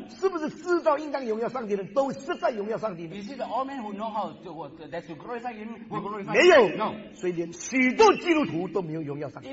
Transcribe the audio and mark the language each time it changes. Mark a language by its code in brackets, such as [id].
[zh] 是不是知道应当荣耀上帝的人都是在荣耀上帝？ [en] Is it all men who know how to glorify him? Will glorify him? [zh] 没有。 [en] No. [zh] 所以连许多基督徒都没有荣耀上帝。